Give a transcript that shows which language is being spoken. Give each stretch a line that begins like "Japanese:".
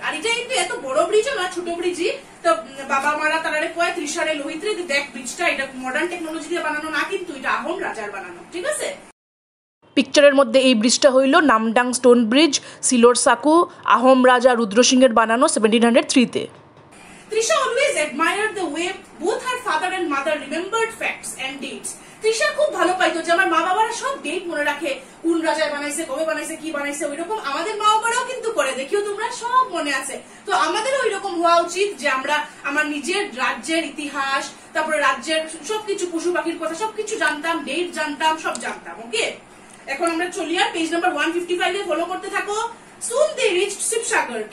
Bangla: আর এটা কিন্তু এত বড় ব্রিজ না, ছোট ব্রিজই। তো বাবা মারা তারারে কয় তৃষারে লোহিত্রে, দেখ ব্রিজটা এটা মডার্ন টেকনোলজি দিয়ে বানানো না, কিন্তু এটা আহোম রাজার বানানো, ঠিক আছে। পিকচারের মধ্যে এই ব্রিজটা হইল নামডাং স্টোন ব্রিজ সিলোর সাকু আহোম রাজা রুদ্র সিং এর বানানো 1703 তে
English: Trisha always admired the way both her father and mother remembered facts and dates.
Bangla: Trisha খুব ভালো পাইতো যে আমার মা বাবারা সব ডেট মনে রাখে কোন রাজায় বানাইছে কবে বানাইছে কি বানাইছে ওই রকম আমাদের মা বাবারাও কিন্তু করে দেখিও তোমরা সব মনে আছে তো আমাদের ওই রকম হওয়া উচিত যে আমরা আমার নিজের রাজ্যের ইতিহাস তারপরে রাজ্যের সবকিছু পশু পাখির কথা সবকিছু জানতাম ডেট জানতাম সব জানতাম ওকে এখন আমরা চলি আর পেজ নাম্বার 155 এ ফলো করতে থাকো
English: Soon they reached Shipsagar.